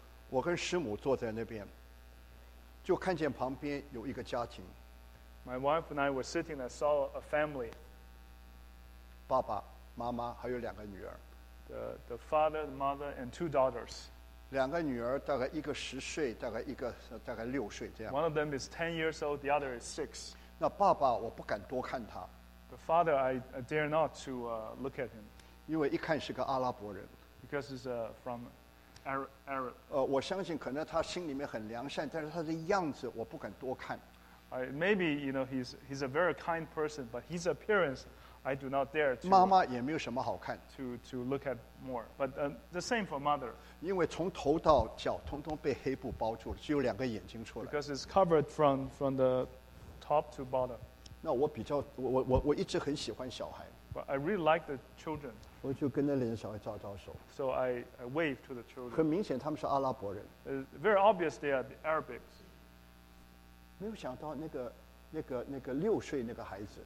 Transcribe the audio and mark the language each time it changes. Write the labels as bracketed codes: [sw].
[zh] 我跟师母坐在那边，就看见旁边有一个家庭。 [en] My wife and I were sitting and saw a family. [zh] 爸爸妈妈还有两个女儿。 [en] The father, the mother, and two daughters. [zh] 两个女儿大概一个十岁，大概一个大概六岁这样。 [en] One of them is 10 years old, the other is 6. [zh] 那爸爸我不敢多看他。 [en] The father I dare not to look at him. [zh] 因为一看是个阿拉伯人。 [en] Because he's from Arab. [zh] 我相信可能他心里面很良善，但是他的样子我不敢多看。 [en] Maybe you know he's a very kind person, but his appearance I do not dare to, [zh] 妈妈也没有什么好看, [en] to look at more. But the same for mother. [zh] 因为从头到脚通通被黑布包住了，只有两个眼睛出来。 [en] Because it's covered from the top to bottom. [zh] 那我比较我一直很喜欢小孩。 [en] But I really like the children. [zh] 我就跟那两个小孩招招手。 [en] So I wave to the children. [zh] 很明显他们是阿拉伯人。 [en] Very obvious they are the Arabics. [zh] 没有想到那个六岁那个孩子